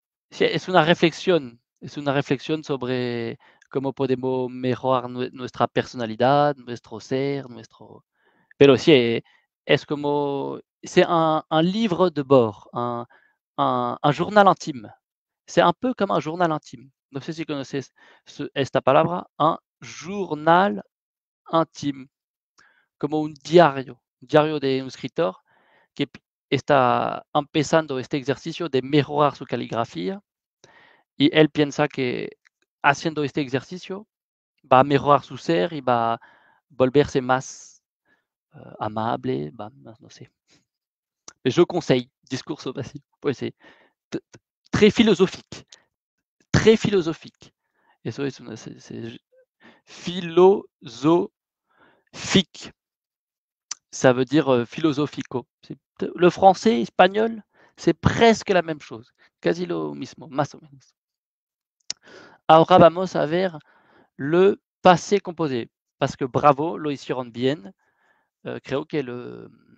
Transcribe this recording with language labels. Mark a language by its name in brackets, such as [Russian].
[Spanish] Sí, es una reflexión sobre cómo podemos mejorar nuestra personalidad, nuestro ser, nuestro. Pero sí, es como. C'est un livre de bord, un journal intime. C'est un peu comme un journal intime. No sé si conoces esta palabra, un journal intime. Como un diario de un escritor que está empezando este ejercicio de mejorar su caligrafía. Y él piensa que haciendo este ejercicio va a mejorar su ser y va a volverse más amable, va, no sé. [French] Je conseille Discours au passé. Oui, c'est très philosophique. Très philosophique. Et ça, c'est philosophique. Ça veut dire philosophico. Le français, espagnol, c'est presque la même chose. [Spanish] Quasi lo mismo, más o menos. Ahora vamos a ver le passé composé. [French] Parce que bravo, [Spanish] lo hicieron bien. Creo que le.